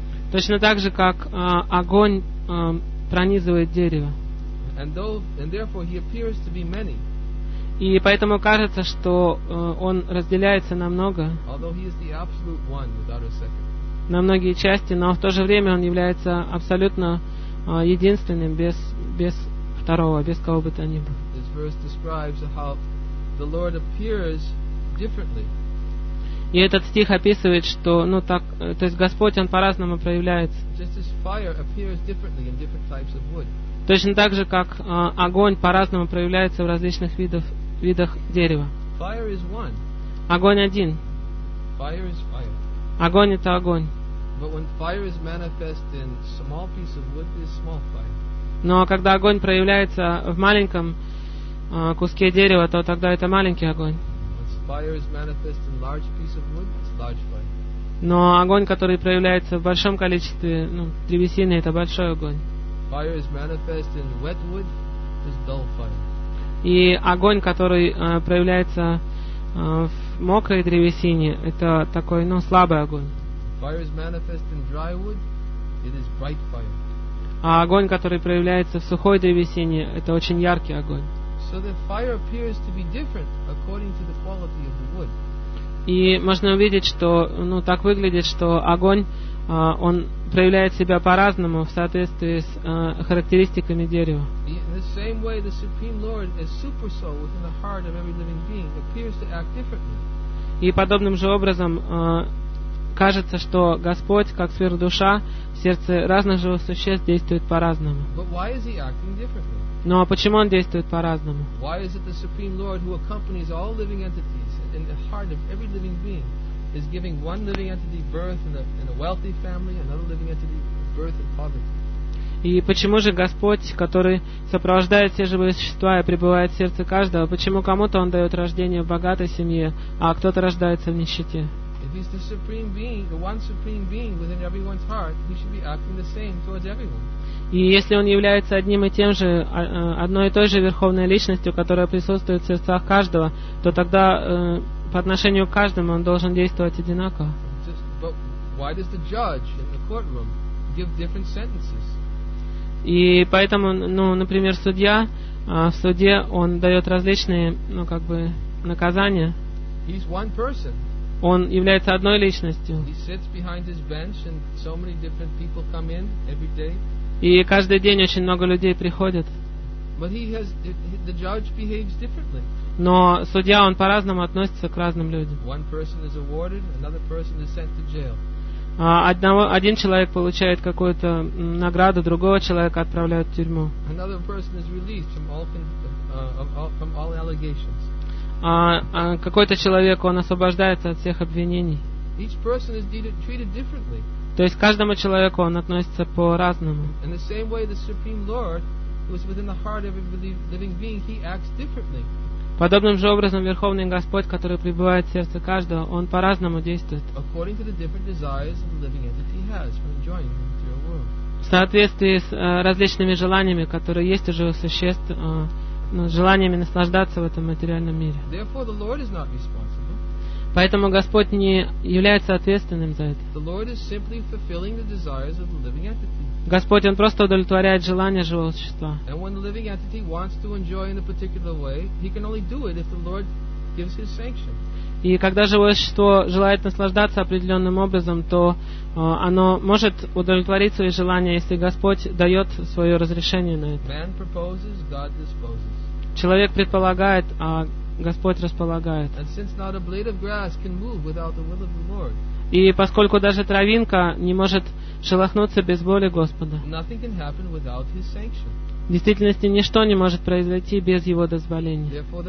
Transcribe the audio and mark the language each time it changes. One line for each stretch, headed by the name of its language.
Russian: Точно так же, как огонь пронизывает дерево.
English: And therefore he appears to be many.
Russian: И поэтому кажется, что он разделяется на много,
English: although he is the absolute one without a second.
Russian: На многие части, но в то же время он является абсолютно единственным, без, без второго, без кого бы то ни было.
English: This verse describes how the Lord appears differently.
Russian: И этот стих описывает, что, ну, так, то есть Господь, Он по-разному проявляется.
English: Just as fire appears differently in different types of wood.
Russian: Точно так же, как огонь по-разному проявляется в различных видах дерева.
English: Fire is one.
Russian: Огонь один.
English: Fire is fire.
Russian: Огонь — это огонь.
English: But when fire is manifest in small piece of wood, it is small fire.
Russian: Но когда огонь проявляется в маленьком куске дерева, то тогда это маленький огонь.
English: Fire is manifest in large piece of wood, it's large fire.
Russian: Но огонь, который проявляется в большом количестве, ну, древесины, это большой огонь.
English: Fire is manifest in wet wood, it's dull fire.
Russian: И огонь, который проявляется в мокрой древесине, это такой, ну, слабый огонь.
English: Fire is manifest in dry wood, it is bright fire.
Russian: А огонь, который проявляется в сухой древесине, это очень яркий огонь.
English: So the fire appears to be different according to the quality of the wood.
Russian: И можно увидеть, что, ну, так выглядит, что огонь, он проявляет себя по-разному в соответствии с характеристиками дерева.
English: In the same way, the Supreme Lord, as super soul within the heart of every living being, appears to act differently.
Russian: И подобным же образом кажется, что Господь, как сверхдуша, в сердце разных живых существ действует по-разному.
English: But why is he acting differently?
Russian: Но почему он действует по-разному?
English: Why is it the Supreme Lord who accompanies all living entities in the heart of every living being is giving one living entity birth in a wealthy family, another living entity birth in poverty?
Russian: И почему же Господь, который сопровождает все живые существа и пребывает в сердце каждого, почему кому-то он дает рождение в богатой семье, а кто-то рождается в нищете?
English: If he's the supreme being, the one supreme being within everyone's heart, he should be acting the same towards everyone.
Russian: И если он является одним и тем же, одной и той же верховной личностью, которая присутствует в сердцах каждого, то тогда по отношению к каждому он должен действовать одинаково.
English: But why does the judge in the courtroom give different sentences?
Russian: И поэтому, ну, например, судья, в суде он дает различные, ну, как бы, наказания.
English: He's one person.
Russian: Он является одной личностью.
English: He sits behind his bench and so many different people come in every day.
Russian: И каждый день очень много людей приходят.
English: But the judge behaves differently.
Russian: Но судья, он по-разному относится к разным людям.
English: One person is awarded, another person is sent to jail.
Russian: Один человек получает какую-то награду, другого человека отправляют в тюрьму.
English: Another person is released from all allegations.
Russian: какой-то человек, он освобождается от всех обвинений.
English: Each person is treated differently.
Russian: То есть к каждому человеку он относится по-разному.
English: In the same way, the Supreme Lord, who is within the heart of every living being, he acts differently.
Russian: Подобным же образом Верховный Господь, который пребывает в сердце каждого, он по-разному действует.
English: According to the different desires the living entity has for enjoying the material world.
Russian: В соответствии с различными желаниями, которые есть уже у существ, желаниями наслаждаться в этом материальном мире.
English: Therefore, the Lord is not responsible.
Russian: Поэтому Господь не является ответственным за это.
English: The Lord is simply fulfilling the desires of the living entity.
Russian: Господь, Он просто удовлетворяет желания живого существа.
English: And when the living entity wants to enjoy in a particular way, he can only do it if the Lord gives his sanction.
Russian: И когда живое существо желает наслаждаться определенным образом, то оно может удовлетворить свои желания, если Господь дает свое разрешение на это.
English: Man proposes, God disposes.
Russian: Человек предполагает, а Господь располагает.
English: And since not a blade of grass can move without the will of the Lord.
Russian: И поскольку даже травинка не может шелохнуться без воли Господа.
English: Nothing can happen without his sanction.
Russian: В действительности ничто не может произойти без его дозволения.